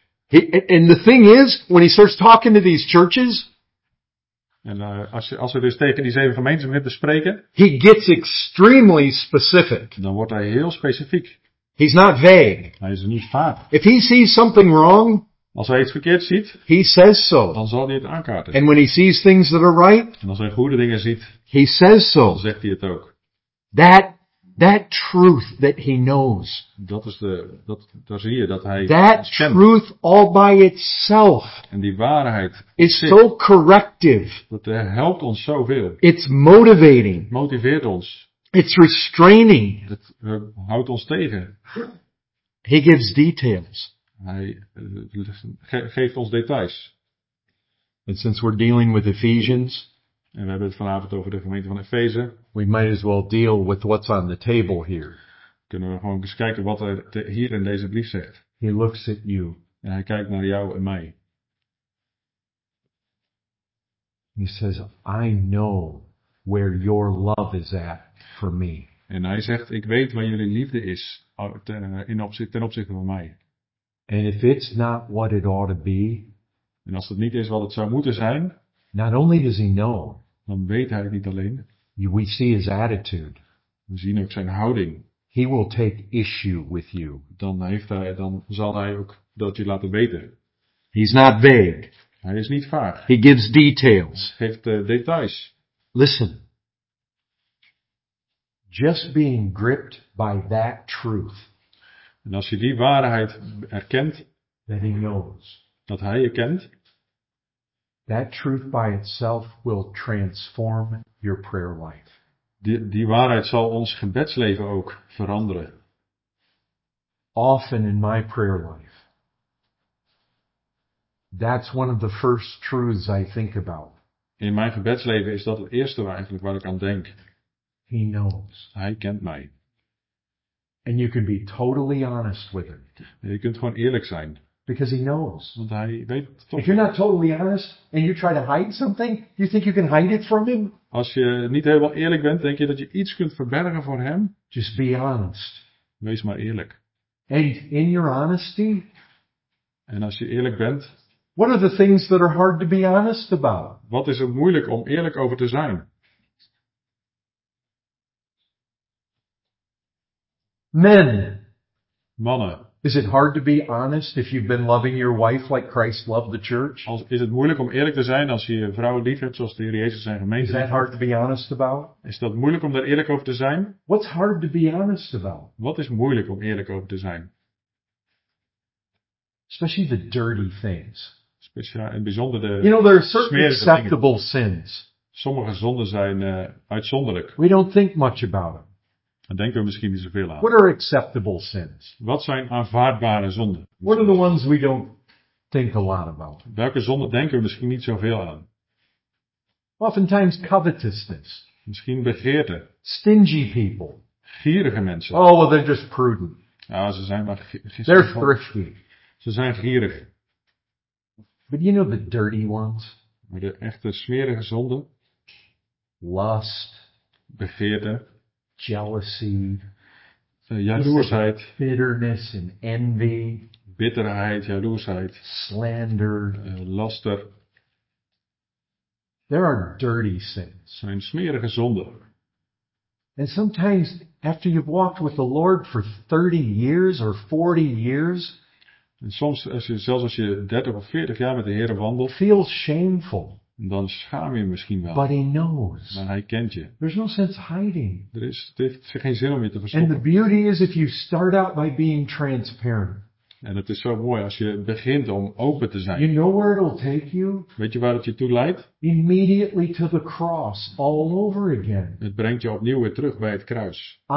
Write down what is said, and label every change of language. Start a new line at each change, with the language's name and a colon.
English: And the thing is, when he starts talking to these churches.
Dutch: En als we dus tegen die zeven gemeenten beginnen te spreken.
English: He gets extremely specific.
Dutch: Dan wordt hij heel specifiek.
English: He's not vague.
Dutch: Hij is niet vaag.
English: If he sees something wrong,
Dutch: als hij iets verkeerd ziet,
English: he says so.
Dutch: Dan zal hij het aankaarten.
English: And when he sees things that are right,
Dutch: en als hij goede dingen ziet,
English: he says so.
Dutch: Dan zegt hij het ook.
English: That truth that he knows.
Dutch: Daar zie je dat hij.
English: That truth all by itself.
Dutch: En die waarheid
English: is so corrective.
Dutch: Dat helpt ons zoveel.
English: It's motivating.
Dutch: Het motiveert ons.
English: It's restraining.
Dutch: Het houdt ons tegen.
English: He gives details.
Dutch: Hij geeft ons details.
English: And since we're dealing with Ephesians,
Dutch: en we hebben het vanavond over de gemeente van Efeze,
English: we might as well deal with what's on the table here.
Dutch: Kunnen we gewoon eens kijken wat er hier in deze brief zegt.
English: He looks at you.
Dutch: En hij kijkt naar jou en mij.
English: He says, I know where your love is at. For me.
Dutch: En hij zegt, ik weet waar jullie liefde is ten opzichte van mij.
English: And if it's not what it ought to be,
Dutch: en als het niet is wat het zou moeten zijn,
English: not only does he know,
Dutch: dan weet hij het niet alleen.
English: We see his attitude.
Dutch: We zien ook zijn houding.
English: He will take issue with you.
Dutch: Dan zal hij ook dat je laten weten.
English: He's not vague.
Dutch: Hij is niet vaag.
English: He gives details.
Dutch: Hij geeft details.
English: Listen. Just being gripped by that truth.
Dutch: En als je die waarheid erkent,
English: that he knows,
Dutch: dat hij je kent,
English: that truth by itself will transform your prayer life.
Dutch: Die waarheid zal ons gebedsleven ook veranderen.
English: Often in my prayer life, that's one of the first truths I think about.
Dutch: In mijn gebedsleven is dat het eerste eigenlijk waar ik aan denk.
English: He knows.
Dutch: Hij kent mij.
English: And you can be totally honest with him.
Dutch: Je kunt gewoon eerlijk zijn.
English: Because he knows.
Dutch: Want hij weet het toch.
English: If you're not totally honest and you try to hide something, you think you can hide it from him?
Dutch: Als je niet helemaal eerlijk bent, denk je dat je iets kunt verbergen voor hem?
English: Just be honest.
Dutch: Wees maar eerlijk.
English: And in your honesty,
Dutch: en als je eerlijk bent,
English: what are the things that are hard to be honest about?
Dutch: Wat is er moeilijk om eerlijk over te zijn?
English: Men.
Dutch: Mannen.
English: Is it hard to be honest if you've been loving your wife like Christ loved the church?
Dutch: Is het moeilijk om eerlijk te zijn als je je vrouw lief hebt zoals de Heer Jezus zijn gemeente?
English: Is that hard to be honest about?
Dutch: Is dat moeilijk om daar eerlijk over te zijn?
English: What's hard to be honest about?
Dutch: Wat is moeilijk om eerlijk over te zijn?
English: Especially the dirty things.
Dutch: Speciaal en bijzonder de.
English: You know, there are certain acceptable sins.
Dutch: Sommige zonden zijn uitzonderlijk.
English: We don't think much about them.
Dutch: Dan denken we misschien niet zoveel aan.
English: What are acceptable sins?
Dutch: Wat zijn aanvaardbare zonden?
English: What are the ones we don't think a lot about?
Dutch: Welke zonden denken we misschien niet zoveel aan?
English: Oftentimes covetousness.
Dutch: Misschien begeerte.
English: Stingy people.
Dutch: Gierige mensen.
English: Oh, well, they're just prudent.
Dutch: Ja, ze zijn maar gierig.
English: They're thrifty.
Dutch: Ze zijn gierig.
English: But you know the dirty ones?
Dutch: Maar de echte smerige zonden?
English: Lust.
Dutch: Begeerte.
English: Jealousy,
Dutch: jaloersheid,
English: bitterness and envy,
Dutch: bitterheid, jaloersheid,
English: slander,
Dutch: laster.
English: There are dirty sins.
Dutch: Zijn smerige zonden.
English: And sometimes after you've walked with the Lord for 30 years or 40 years,
Dutch: en soms als je, zelfs als je 30 of 40 jaar met de Heer wandelt,
English: feel shameful.
Dutch: Dan schaam je misschien wel.
English: But he knows.
Dutch: Maar hij kent je.
English: There's no sense hiding.
Dutch: Er is, het heeft geen zin om je te verstoppen.
English: And the beauty is if you start out by being transparent.
Dutch: En het is zo mooi als je begint om open te zijn.
English: You know where it'll take you?
Dutch: Weet je waar het je toe leidt?
English: Immediately to the cross, all over again.
Dutch: Het brengt je opnieuw weer terug bij het kruis.